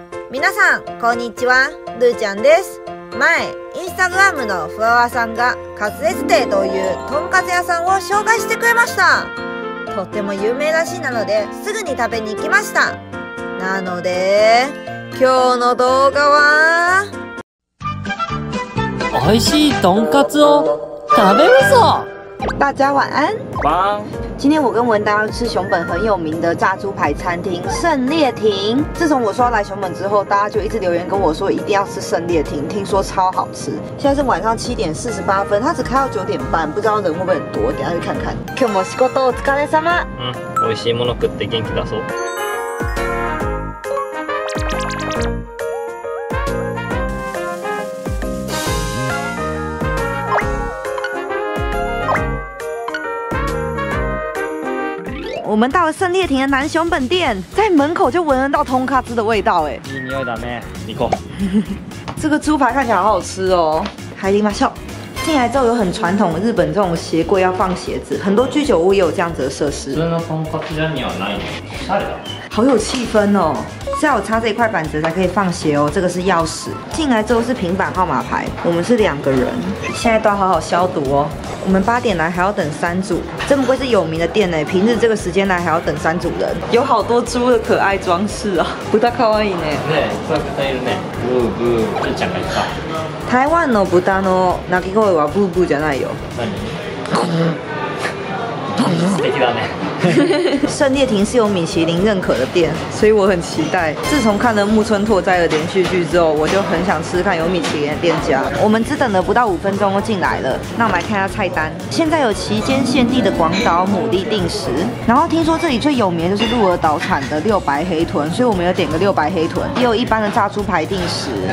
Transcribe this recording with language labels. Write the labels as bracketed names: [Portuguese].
[Japanese] 皆さんこんにちは、るーちゃんです。前インスタグラムのフラワーさんがカツレツ亭というとんかつ屋さんを紹介してくれました。とっても有名らしいなのですぐに食べに行きました。なので今日の動画は、おいしいとんかつを食べるぞ。 [Chinese] 大家晚安。晚安。今天我跟文达要吃熊本很有名的炸猪排餐厅胜烈亭。自从我说要来熊本之后，大家就一直留言跟我说一定要吃胜烈亭，听说超好吃。现在是晚上7:48，它只开到9:30，不知道人会不会很多，等一下去看看。 [Japanese] 今日も仕事お疲れ様。嗯，おいしいもの食って元気出そう。 [Chinese] 我们到了胜烈亭的南熊本店，在门口就闻得到通咖汁的味道，哎， [Japanese] いい匂いだね。行こう。 [Chinese] 这个猪排看起来好好吃哦。 [Japanese] 入りましょう。 [Chinese] 进来之后有很传统的日本这种鞋柜要放鞋子，很多居酒屋也有这样子的设施。 [Japanese] 普通のトンカツ屋にはない。あれだ。 [Chinese] 好有气氛哦。是要插这一块板子才可以放鞋哦，这个是钥匙。进来之后是平板号码牌，我们是两个人，现在都要好好消毒哦。我们8点来还要等三组，这么贵是有名的店呢，平日这个时间来还要等三组人，有好多猪的可爱装饰啊，不太可爱呢。对，这个可以呢。 [Japanese] ブーブー、ルーちゃんが言った。台湾の豚の鳴き声はブーブーじゃないよ。何？素敵だね。 [Chinese] 胜烈亭是有米其林认可的店，所以我很期待。自从看了木村拓哉的连续剧之后，我就很想吃看有米其林的店家。我们只等了不到5分钟就进来了，那我们来看一下菜单。现在有期间限定的广岛牡蛎定食，然后听说这里最有名的就是鹿儿岛产的六白黑豚，所以我们有点个六白黑豚，也有一般的炸猪排定食。